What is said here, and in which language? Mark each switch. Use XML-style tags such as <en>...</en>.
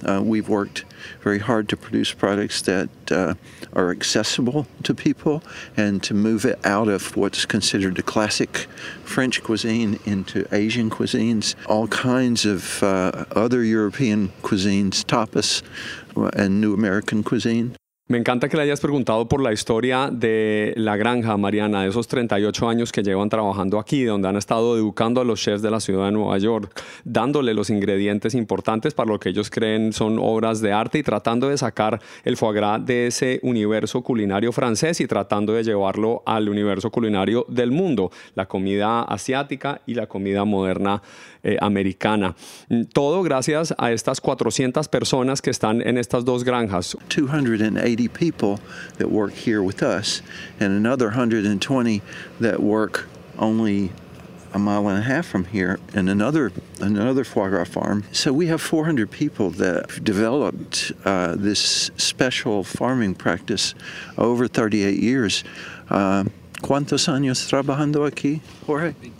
<en>We've worked very hard to produce products that are accessible to people and to move it out of what's considered a classic French cuisine into Asian cuisines, all kinds of other European cuisines, tapas, and new American cuisine.</en> <es>Me encanta que le hayas preguntado por la historia de la granja, Mariana, de esos 38 años que llevan trabajando aquí, donde han estado educando a los chefs de la ciudad de Nueva York, dándole los ingredientes importantes para lo que ellos creen son obras de arte y tratando de sacar el foie gras de ese universo culinario francés y tratando de llevarlo al universo culinario del mundo, la comida asiática y la comida moderna americana. Todo gracias a estas 400 personas que están en estas dos granjas.</es> <en>280 people that work here with us and another 120 that work only a mile and a half from here in another foie gras farm. So we have 400 people that developed this special farming practice over 38 years.</en> <es>¿Cuántos años trabajando aquí, Jorge?</es>